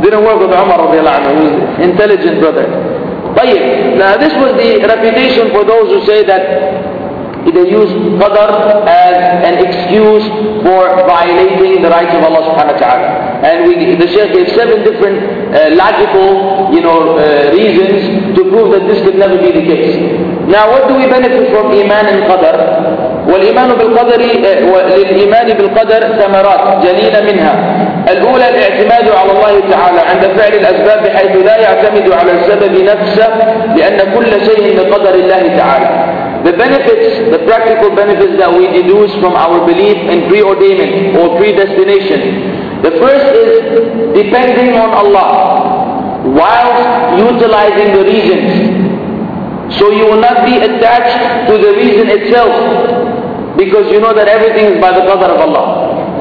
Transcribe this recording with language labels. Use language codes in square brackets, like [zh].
[en] Didn't work with Umar radiallahu anhu, who was an intelligent brother. طيب, now this was the reputation for those who say that they use qadr as an excuse for violating the rights of Allah subhanahu wa ta'ala. And the Shaykh gave seven different logical, you know, reasons to prove that this could never be the case. Now what do we benefit from iman and qadr? [ar] وَالْإِيمَانُ بِالْقَدْرِ وَلِلْإِيمَانِ بِالْقَدْرِ ثَمَرَاتٍ جَلِيلَ مِنْهَا الأولى الاعتماد على الله تعالى عند فعل الأسباب بحيث لا يعتمد على السبب نفسه لأن كل شيء بقدر الله تعالى. [en] The benefits, the practical benefits that we deduce from our belief in preordainment or predestination. The first is depending on Allah while utilizing the reasons. So you will not be attached to the reason itself, because you know that everything is by the qadr of Allah.